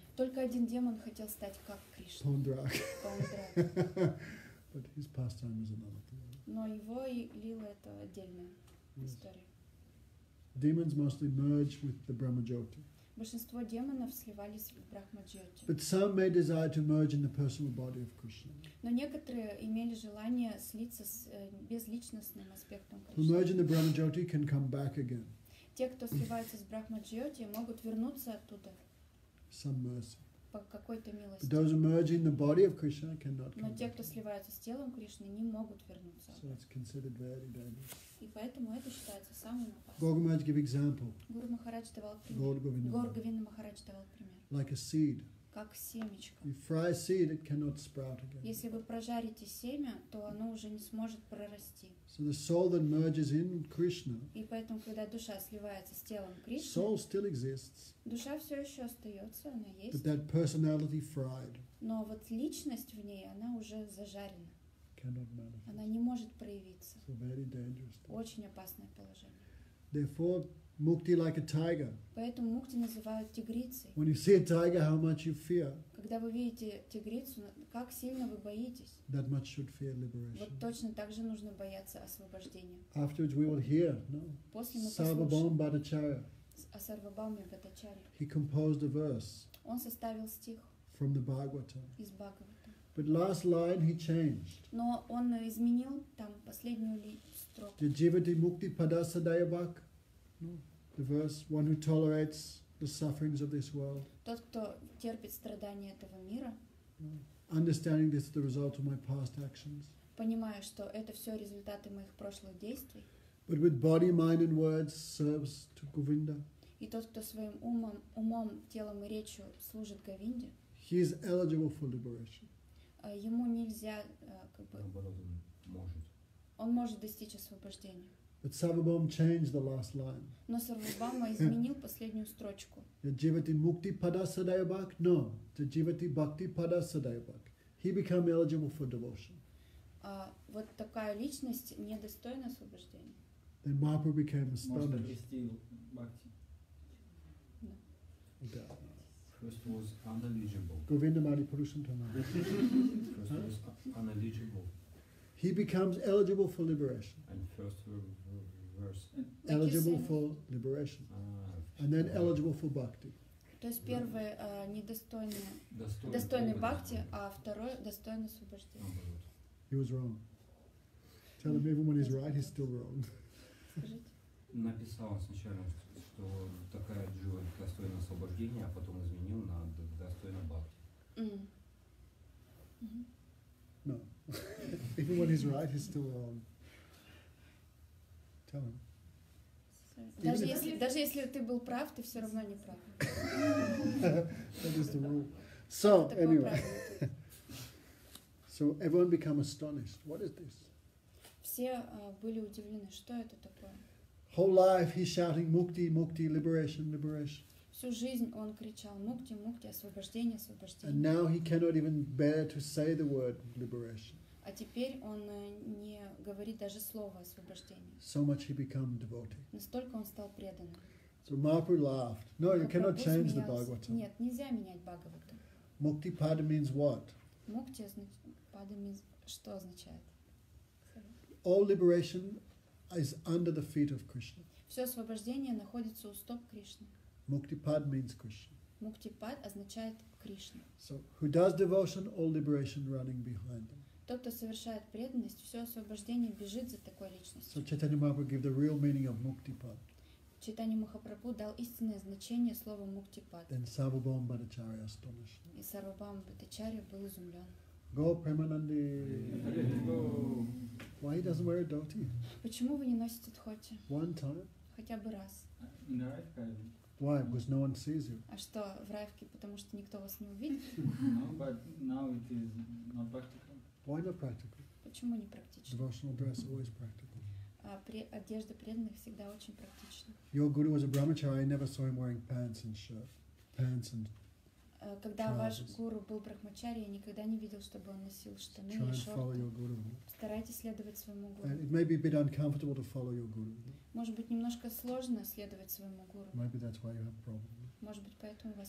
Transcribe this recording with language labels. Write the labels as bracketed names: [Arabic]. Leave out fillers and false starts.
[Russian] Только один демон хотел стать как Кришна. [English] Pondrak. Pondrak. But his pastime is another thing. [Russian] Но его и лила это отдельная история. [English] Demons mostly merge with the Brahmajyoti. [Russian] Большинство демонов сливались в Брахмаджоти. [English] But some may desire to merge in the personal body of Krishna. [Russian] Но некоторые имели желание слиться с безличностным аспектом Кришны. [English] Who merge in the Brahmajyoti can come back again. [Russian] Те, кто сливаются с Брахмаджоти, могут вернуться оттуда. [English] Some mercy. [Russian] По какой-то милости. [English] But those merging in the body of Krishna cannot. [Russian] Но те, кто сливаются с телом Кришны, не могут вернуться. [English] So it's considered very dangerous. [Russian] И поэтому это считается самым опасным. [English] Гуру Махарадж gave example. [Russian] Гуру Махарадж давал пример. Гор Говинда Махарадж давал пример. [English] Like a seed. [Russian] Как семечко. [English] You fry a seed, it cannot sprout again. [Russian] Если вы прожарите семя, то оно уже не сможет прорасти. [English] So the soul that merges in Krishna. [Russian] И поэтому, когда душа сливается с телом Кришны. [English] Soul still exists. [Russian] Душа все еще остается, она есть. [English] But that personality fried. [Russian] Но вот личность в ней, она уже зажарена. [English] Cannot manifest. [Russian] Она не может проявиться. [English] So very dangerous. [Russian] Очень опасное положение. [English] Therefore, Mukti like a tiger. [Russian] Поэтому мукти называют тигрицей. [English] When you see a tiger, how much you fear? [Russian] Когда вы видите тигрицу, как сильно вы боитесь? [English] That much should fear liberation. [Russian] Вот точно так же нужно бояться освобождения. [English] Afterwards, we will hear. No. [Russian] После мы послушаем. Sarvabhaum Bhattacharya. О Сарвабхауме Бхаттачарье. [English] He composed a verse. [Russian] Он составил стих. [English] From the Bhagavata. [Russian] Из Бхагавата. [English] But last line he changed. [Russian] Но он изменил там последнюю строку. [Sanskrit] The jivati mukti padasadayavak. No. [English] The verse, one who tolerates the sufferings of this world. [Russian] Тот, кто терпит страдания этого мира. [English] No. Understanding this is the result of my past actions. [Russian] Понимая, что это все результаты моих прошлых действий. [English] But with body, mind and words serves to Govinda. [Russian] И тот, кто своим умом, телом и речью служит Говинде. [English] He is eligible for liberation. [Russian] Ему нельзя, как бы... Наоборот, он может. Он может достичь освобождения. [English] But Sarvabhaum changed the last line. [Russian] Но Сарвабхаума изменил последнюю строчку. [Sanskrit] Jivati mukti padasadayabhak? No. Jivati bhakti padasadayabhak. [English] He became eligible for devotion. [Russian] Вот такая личность недостойна освобождения. [English] Then Mahaprabhu became astonished. [Russian] Может привести бхакти? Да. [English] First was unalienable. Govinda Mani Purushantana. First was unalienable. He becomes eligible for liberation. And first verse. Eligible for liberation. And then eligible for bhakti. [Russian] То есть первое недостойный бхакти, а второе достойный освобождения. [English] He was wrong. Tell him even when he's right, he's still wrong. [Russian] Написал сначала, что такая джива достойна освобождения, а потом изменил на достойно бхакти. [English] No. Even when he's right, he's still wrong. Tell him. [Russian] Даже если ты был прав, ты все равно не прав. [English] That is the rule. So, anyway. So, everyone became astonished. What is this? [Russian] Все были удивлены. Что это такое? [English] Whole life he's shouting mukti, mukti, liberation, liberation. [Russian] Всю жизнь он кричал мукти, мукти, освобождение, освобождение. [English] And now he cannot even bear to say the word liberation. [Russian] А теперь он не говорит даже слово освобождение. [English] So much he became devotee. [Russian] Настолько он стал преданным. [English] So Mahaprabhu laughed. No, you cannot change the Bhagavata. [Russian] Нет, нельзя менять Бхагавату. [English] Mukti pada means what? [Russian] Мукти пада [English] means [Russian] что означает? [English] All liberation is under the feet of Krishna. [Russian] Все освобождение находится у стоп Кришны. [English] Муктипад means Krishna. [Russian] Муктипад означает Кришна. [English] So who does devotion, all liberation running behind them. [Russian] Тот, кто совершает преданность, все освобождение бежит за такой личностью. [English] So Chaitanya Mahaprabhu gave the real meaning of Муктипад. [Russian] Chaitanya Mahaprabhu дал истинное значение слова Муктипад. [English] Then Sarvabhaum Bhattacharya astonished. [Russian] И Сарвабхаума Бхаттачарья был изумлен. [English] Go Premanandi. Why he doesn't wear a dhoti? [Russian] Почему вы не носите дхоти? [English] One time. [Russian] Хотя бы раз. [English] In Raivka. Why? Because no one sees you. [Russian] А что в Раивке? Потому что никто вас не увидит. [English] No, but now it is not practical. Why not practical? [Russian] Почему не практично? [English] Devotional dress always practical. [Russian] Одежда преданных всегда очень практична. [English] Your guru was a brahmachari. I never saw him wearing pants and shirt. Pants and [Russian] когда ваш гуру был брахмачари, я никогда не видел, чтобы он носил штаны и шорты. Старайтесь следовать своему гуру. [English] It may be a bit uncomfortable to follow your guru. [Russian] Может быть, немножко сложно следовать своему гуру. [English] Maybe that's why you have problems. [Russian] Может быть, поэтому у вас